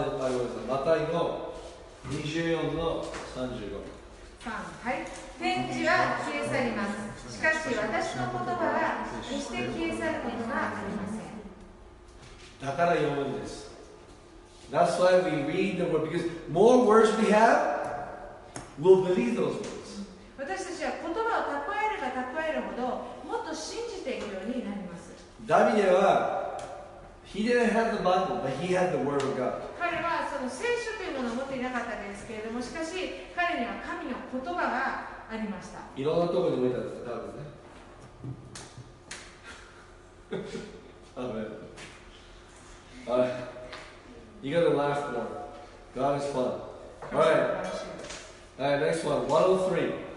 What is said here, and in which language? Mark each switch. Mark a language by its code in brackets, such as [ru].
[ja] ヨハネ、あ、ごめんなさい、マタイの24の35、はい、天地は消え去ります、しかし私の言葉は決して消え去ることはありません。だから読むんです。 [en] That's why we read the word, because more words we have, we'll believe those words. [ja] 私たちは言葉を蓄えれば蓄えるほどもっと信じていくようになります。 [en] ダビデは He didn't have the Bible, but he had the word of God. [ja] 彼はその聖書というものを持っていなかったですけれども、しかし彼には神の言葉がありました。いろんなところに置いたんです、ダビデね。 [en] You gotta laugh more. God is fun. Alright. Alright, next one. 103.